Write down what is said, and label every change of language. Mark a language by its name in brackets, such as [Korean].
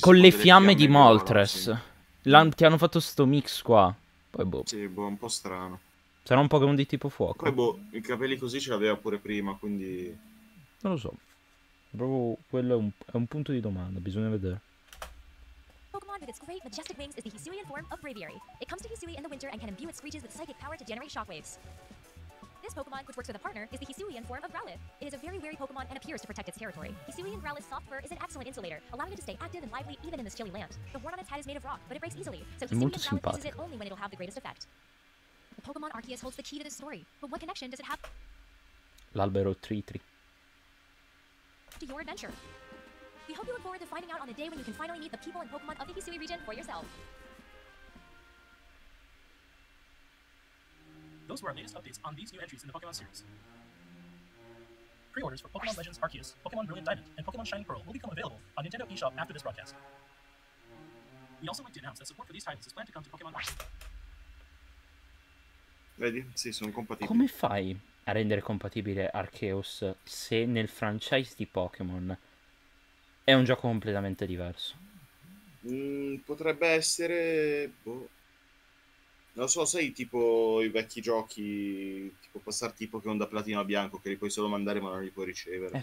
[Italian] con le fiamme di Moltres. Ti hanno fatto sto mix qua. Poi boh. Sì, boh, un po' strano. Sarà un Pokémon di tipo fuoco. Poi boh, i capelli così ce l'aveva pure prima, quindi... Non lo so. Proprio quello è un punto di domanda, bisogna vedere. [English] Pokémon with its great majestic wings is the Hisuian form of Bravery. It comes to Hisui in the winter and can imbue its screeches with psychic power to generate shockwaves. This Pokémon, which works with a partner, is the Hisuian form of Growlithe. It is a very wary Pokémon and appears to protect its territory. Hisuian Growlithe's soft fur is an excellent insulator, allowing it to stay active and lively even in this chilly land. The horn on its head is made of rock, but it breaks easily, so Hisuian Growlithe uses it only when it'll have the greatest effect. The Pokémon Arceus holds the key to this story, but what connection does it have? L'albero Tri-Tri. To your adventure. We hope you look forward to finding out on the day when you can finally meet the people and Pokemon of the Hisui region for yourself. Those were our latest updates on these new entries in the Pokemon series. Pre-orders for Pokemon Legends Arceus, Pokemon Brilliant Diamond, and Pokemon Shining Pearl will become available on Nintendo eShop after this broadcast. We also like to announce that support for these titles is planned to come to Pokemon Arceus. [Italian] Vedi? Sì, sono compatibili. Come fai a rendere compatibile Arceus se nel franchise di Pokémon è un gioco completamente diverso? Potrebbe essere... Non so, sai tipo i vecchi giochi, tipo passarti i Pokémon da platino a bianco che li puoi solo mandare ma non li puoi ricevere?